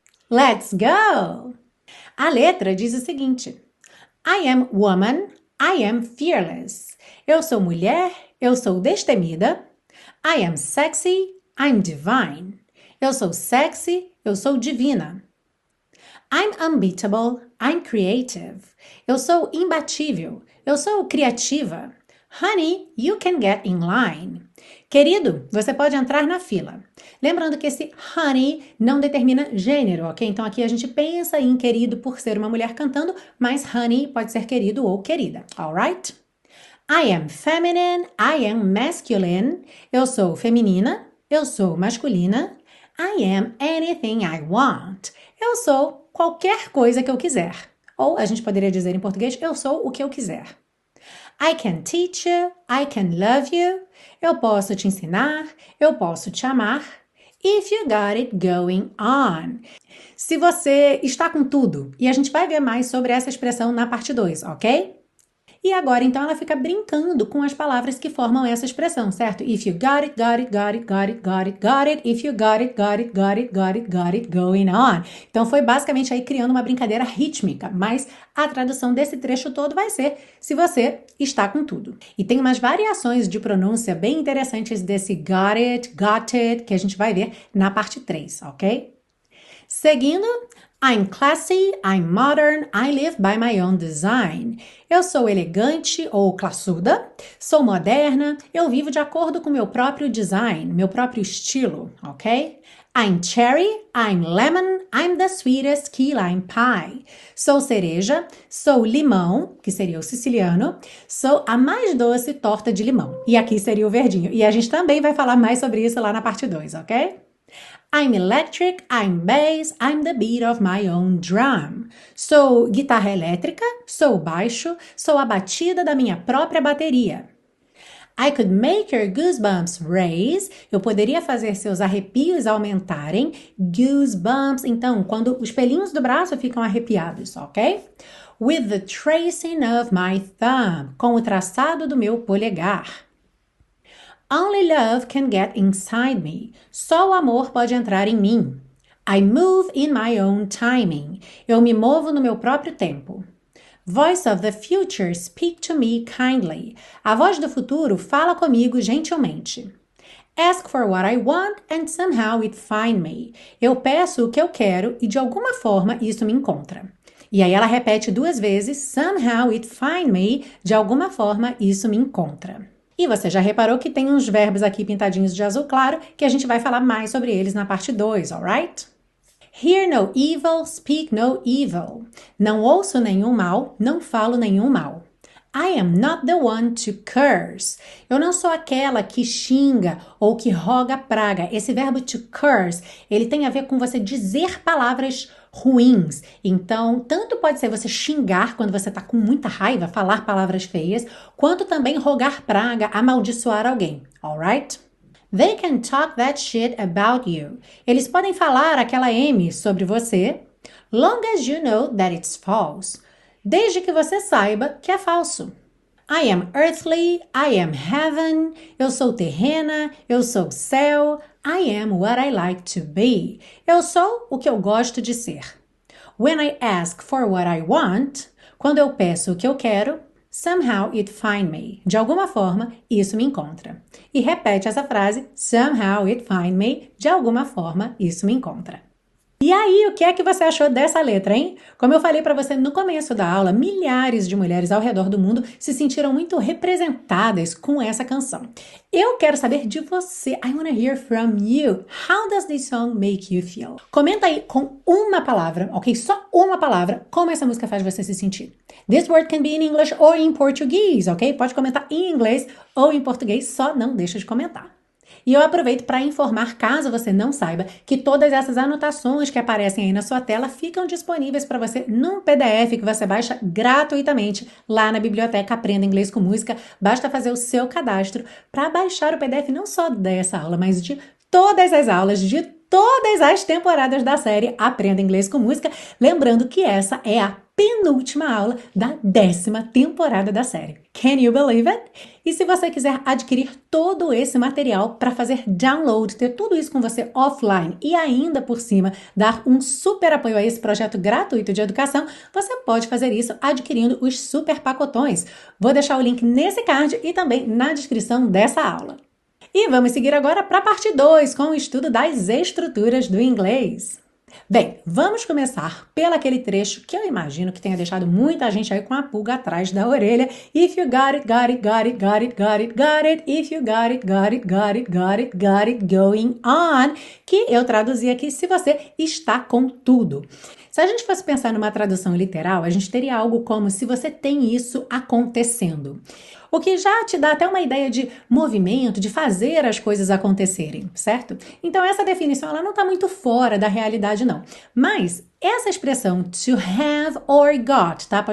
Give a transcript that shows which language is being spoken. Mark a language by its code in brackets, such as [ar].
[en] Let's go! [pt] A letra diz o seguinte. [en] I am woman, I am fearless. [pt] Eu sou mulher, eu sou destemida. [en] I am sexy, I'm divine. [pt] Eu sou sexy, eu sou divina. [en] I'm unbeatable, I'm creative. [pt] Eu sou imbatível, eu sou criativa. [en] Honey, you can get in line. [pt] Querido, você pode entrar na fila. Lembrando que esse honey não determina gênero, ok? Então aqui a gente pensa em querido por ser uma mulher cantando, mas honey pode ser querido ou querida, alright? [en] I am feminine, I am masculine. [pt] Eu sou feminina, eu sou masculina. [en] I am anything I want. [pt] Eu sou qualquer coisa que eu quiser. Ou a gente poderia dizer em português, eu sou o que eu quiser. [en] I can teach you, I can love you. [pt] Eu posso te ensinar, eu posso te amar. [en] If you got it going on. [pt] Se você está com tudo, e a gente vai ver mais sobre essa expressão na parte 2, ok? E agora, então, ela fica brincando com as palavras que formam essa expressão, certo? [en] If you got it, got it, got it, got it, got it, got it. If you got it, got it, got it, got it, got it, going on. [pt] Então, foi basicamente aí criando uma brincadeira rítmica. Mas a tradução desse trecho todo vai ser se você está com tudo. E tem umas variações de pronúncia bem interessantes desse got it, que a gente vai ver na parte 3, ok? Seguindo... [en] I'm classy, I'm modern, I live by my own design. [pt] Eu sou elegante ou classuda, sou moderna, eu vivo de acordo com meu próprio design, meu próprio estilo, ok? [en] I'm cherry, I'm lemon, I'm the sweetest key lime pie. [pt] Sou cereja, sou limão, que seria o siciliano, sou a mais doce torta de limão. E aqui seria o verdinho. E a gente também vai falar mais sobre isso lá na parte 2, ok? [en] I'm electric, I'm bass, I'm the beat of my own drum. [pt] Sou guitarra elétrica, sou baixo, sou a batida da minha própria bateria. [en] I could make your goosebumps raise. [pt] Eu poderia fazer seus arrepios aumentarem. Goosebumps, então, quando os pelinhos do braço ficam arrepiados, ok? [en] With the tracing of my thumb, [pt] com o traçado do meu polegar. [en] Only love can get inside me. [pt] Só o amor pode entrar em mim. [en] I move in my own timing. [pt] Eu me movo no meu próprio tempo. [en] Voice of the future speak to me kindly. [pt] A voz do futuro fala comigo gentilmente. [en] Ask for what I want and somehow it find me. [pt] Eu peço o que eu quero e de alguma forma isso me encontra. E aí ela repete duas vezes, [en] somehow it find me, [pt] de alguma forma isso me encontra. E você já reparou que tem uns verbos aqui pintadinhos de azul claro que a gente vai falar mais sobre eles na parte 2, alright? [en] Hear no evil, speak no evil. [pt] Não ouço nenhum mal, não falo nenhum mal. [en] I am not the one to curse. [pt] Eu não sou aquela que xinga ou que roga praga. Esse verbo to curse, ele tem a ver com você dizer palavras ruins. Então, tanto pode ser você xingar quando você está com muita raiva, falar palavras feias, quanto também rogar praga, amaldiçoar alguém. [en] All right? They can talk that shit about you. [pt] Eles podem falar aquela M sobre você, [en] long as you know that it's false. [pt] Desde que você saiba que é falso. [en] I am earthly, I am heaven. [pt] Eu sou terrena, eu sou céu. [en] I am what I like to be. [pt] Eu sou o que eu gosto de ser. [en] When I ask for what I want, [pt] quando eu peço o que eu quero, [en] somehow it find me. [pt] De alguma forma, isso me encontra. E repete essa frase, [en] somehow it find me. [pt] De alguma forma, isso me encontra. E aí, o que é que você achou dessa letra, hein? Como eu falei para você no começo da aula, milhares de mulheres ao redor do mundo se sentiram muito representadas com essa canção. Eu quero saber de você. [en] I wanna hear from you. How does this song make you feel? [pt] Comenta aí com uma palavra, ok? Só uma palavra, como essa música faz você se sentir. [en] This word can be in English or in Portuguese, ok? [pt] Pode comentar em inglês ou em português, só não deixa de comentar. E eu aproveito para informar, caso você não saiba, que todas essas anotações que aparecem aí na sua tela ficam disponíveis para você num PDF que você baixa gratuitamente lá na biblioteca Aprenda Inglês com Música. Basta fazer o seu cadastro para baixar o PDF não só dessa aula, mas de todas as aulas, de todas as temporadas da série Aprenda Inglês com Música. Lembrando que essa é a penúltima aula da 10ª temporada da série. [en] Can you believe it? [pt] E se você quiser adquirir todo esse material para fazer download, ter tudo isso com você offline e ainda por cima dar um super apoio a esse projeto gratuito de educação, você pode fazer isso adquirindo os super pacotões. Vou deixar o link nesse card e também na descrição dessa aula. E vamos seguir agora para a parte 2 com o estudo das estruturas do inglês. Bem, vamos começar pelo aquele trecho que eu imagino que tenha deixado muita gente aí com a pulga atrás da orelha. [en] If you got it, got it, got it, got it, got it, got it. If you got it, got it, got it, got it, got it going on. [pt] Que eu traduzi aqui se você está com tudo. Se a gente fosse pensar numa tradução literal, a gente teria algo como se você tem isso acontecendo. O que já te dá até uma ideia de movimento, de fazer as coisas acontecerem, certo? Então essa definição ela não está muito fora da realidade, não. Mas essa expressão to have or got, tá?